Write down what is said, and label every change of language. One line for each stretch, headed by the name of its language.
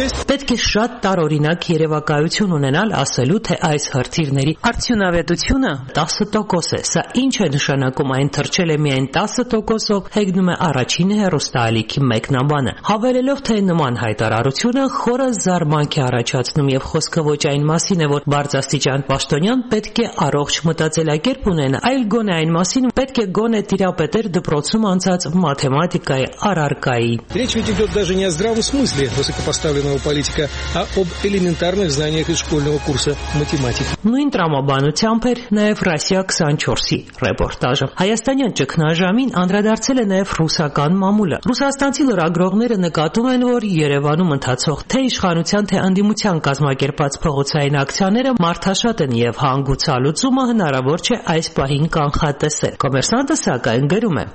Armenian: Պետք է շատ տարօրինակ երևակայություն ունենալ, ասելու, թե այս հրթիռների արդյունավետությունը 10% է։ Սա ինչ է նշանակում, այն թրջել է միայն 10%-ով, հեգնում է առաջին հեռուստաալիքի մեկնաբանը, հավելելով, թե նման հայտարարությունը խորը զարմանք է առաջացնում և խոսքը ոչ այն մասին է, որ բարձրաստիճան Պաշտոնյան պետք է առողջ մտածելակերպ ունենա, այլ գոնե այն մասին, պետք է գոնե տիրապետեր դպրոցում անցած մաթեմատիկայի առարկայի։
Russian: Речь ведь идёт даже не о здравом смысле высокопоставленного политика, а об элементарных знаниях из школьного курса математики։
Armenian: Նույն տրամաբանությամբ է նաև Ռասիա 24-ի ռեպորտաժը։ Հայաստանյան ճգնաժամին անդրադարձել է նաև ռուսական մամուլը։ Ռուսաստանցի լրագրողները նկատում են, որ Երևանում ընթացող թե իշխանության, թե անդիմության կազմակերպած փողոցային ակցիաները մարդաշատ են և հանգուցալուծումը հնարավոր չէ այս պահին կանխատեսել։ Կոմերսանտը սակայն գրում է.